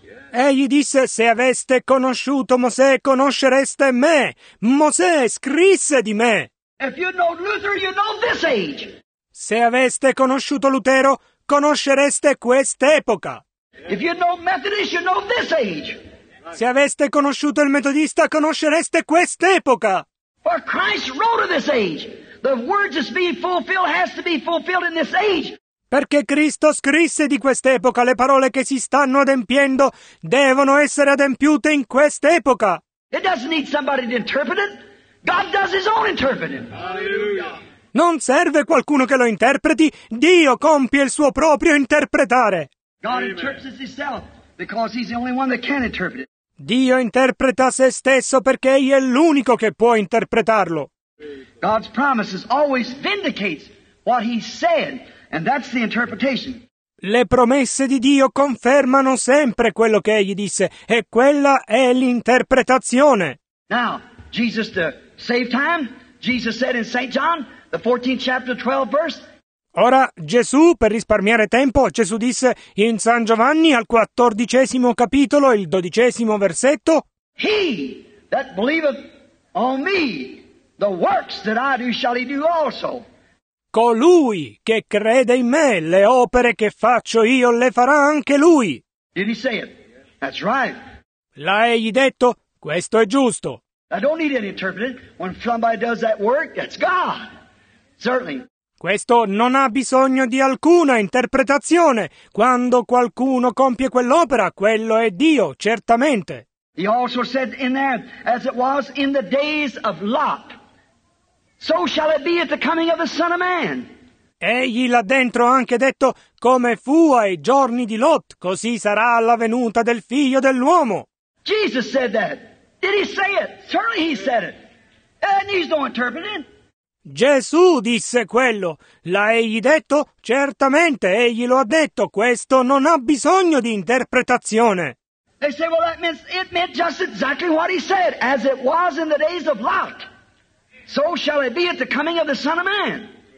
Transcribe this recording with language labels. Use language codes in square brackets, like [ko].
[it] Egli disse, se aveste conosciuto Mosè, conoscereste me. Mosè scrisse di me. [en] If you'd known Luther, you'd know this age. [it] Se aveste conosciuto Lutero, conoscereste quest'epoca. [en] If you'd known Methodist, you'd know this age. [it] Se aveste conosciuto il metodista, conoscereste quest'epoca. [en] For Christ wrote of this age. The words that's being fulfilled has to be fulfilled in this age. [it] Perché Cristo scrisse di quest'epoca, le parole che si stanno adempiendo devono essere adempiute in quest'epoca. [en] It doesn't need somebody to interpret it. God does his own interpreting. Hallelujah. [it] Non serve qualcuno che lo interpreti, Dio compie il suo proprio interpretare. [en] God interprets himself because he's the only one that can interpret it. [it] Dio interpreta se stesso perché egli è l'unico che può interpretarlo. [en] God's promises always vindicates what he said. And that's the interpretation. [it] Le promesse di Dio confermano sempre quello che egli disse, e quella è l'interpretazione. [en] Now, Jesus to save time, Jesus said in St. John, the 14th chapter, 12th verse. [it] Ora, Gesù, per risparmiare tempo, Gesù disse in San Giovanni, al 14 capitolo, il 12 versetto. [en] He that believeth on me, the works that I do shall he do also. [it] Colui che crede in me, le opere che faccio io le farà anche lui. [en] Did he say it? That's right. [it] L'ha egli detto? Questo è giusto. [en] I don't need any interpreting. When somebody does that work, that's God. Certainly. [it] Questo non ha bisogno di alcuna interpretazione. Quando qualcuno compie quell'opera, quello è Dio, certamente. [en] He also said in there, as it was in the days of Lot. So shall it be at the coming of the Son of Man. [it] Egli là dentro ha anche detto, come fu ai giorni di Lot, così sarà alla venuta del Figlio dell'uomo. [en] Jesus said that. Did he say it? Certainly he said it. And he's no interpreter. [it] Gesù disse quello. L'ha egli detto? Certamente, egli lo ha detto. Questo non ha bisogno di interpretazione. [en] They say, well, that means it meant just exactly what he said, as it was in the days of Lot. So shall it be at the coming of the Son of Man.